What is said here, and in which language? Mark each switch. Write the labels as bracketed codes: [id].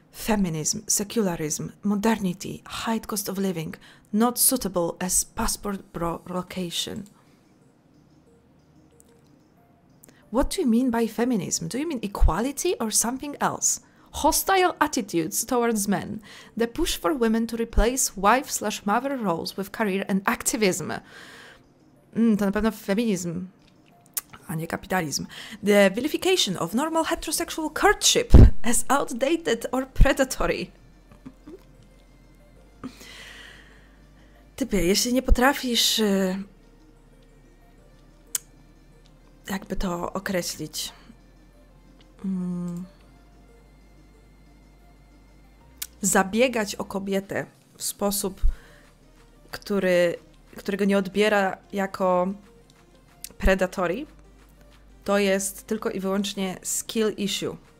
[en] feminism, secularism, modernity, high cost of living, not suitable as passport location. What do you mean by feminism? Do you mean equality or something else? Hostile attitudes towards men. The push for women to replace wife/mother roles with career and activism. [pl] To na pewno feminizm, a nie kapitalizm. [en] The vilification of normal heterosexual courtship as outdated or predatory. [pl] Typie, jeśli nie potrafisz... jakby to określić. Zabiegać o kobietę w sposób, którego nie odbiera jako predatory, to jest tylko i wyłącznie [en] skill issue.